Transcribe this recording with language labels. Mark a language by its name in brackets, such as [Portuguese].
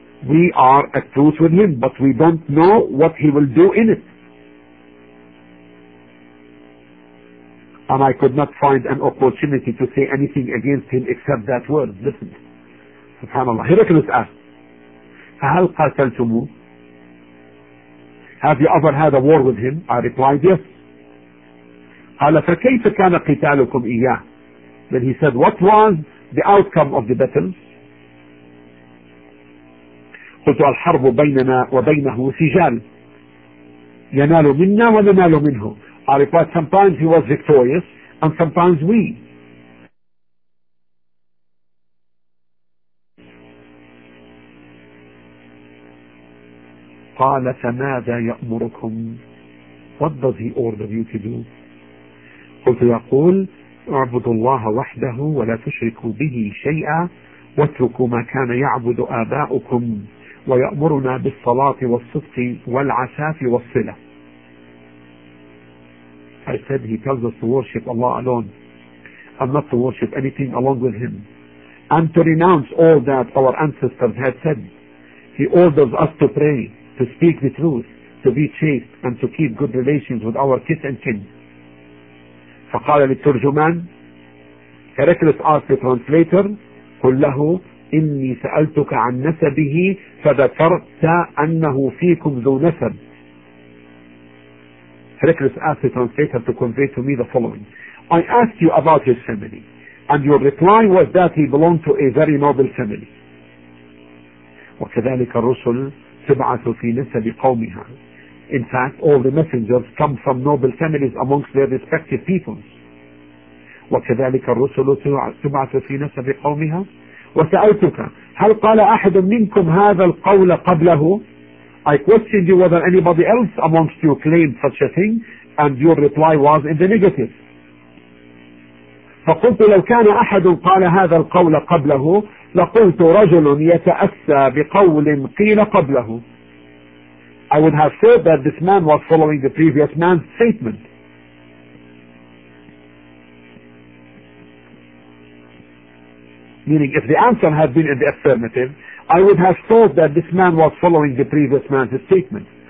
[English] We are at truce with him, but we don't know what he will do in it. And I could not find an opportunity to say anything against him except that word. Listen. SubhanAllah. Heraclius asked, [Arabic] فَهَلْ قَاتَلْتُمُ? [English] Have you ever had a war with him? I replied, yes. [Arabic] قال فكيف كان قتالكم إياه? [English] Then he said, what was the outcome of the battle? [Arabic] قلت الحرب بيننا وبينه سجال, ينال منا وننال منه. [English] I replied, sometimes he was victorious and sometimes we. [Arabic] قال فماذا يأمركم? [English] What does he order you to do? [Arabic] قلت يقول اعبدوا الله وحده ولا تشركوا به شيئا واتركوا ما كان يعبد آباؤكم ويأمرنا بالصلاة والصدق والعفاف والصلة. [English] I said, he tells us to worship Allah alone and not to worship anything along with him, and to renounce all that our ancestors had said, He orders us to pray, to speak the truth, to be chaste, and to keep good relations with our kith and kin. [Arabic] فقال للترجمان, [English] Heraclius asked the translator, [Arabic] قل له إني سألتك عن نسبه فذكرت أنه فيكم ذو نسب. [English] Heraclius asked the translator to convey to me the following. I asked you about his family, and your reply was that he belonged to a very noble family. [Arabic] وكذلك الرسل تبعث في نسب قومها. [English] In fact, all the messengers come from noble families amongst their respective peoples. [Arabic] وكذلك الرسل تبعث في نسب قومها. وسألتك هل قال أحد منكم هذا القول قبله؟ [English] I questioned you whether anybody else amongst you claimed such a thing, and your reply was in the negative. [Arabic] فقلت لو كان أحد قال هذا القول قبله لقلت رجل يتأسى بقول قيل قبله. [English] I would have said that this man was following the previous man's statement. Meaning, if the answer had been in the affirmative, I would have thought that this man was following the previous man's statement.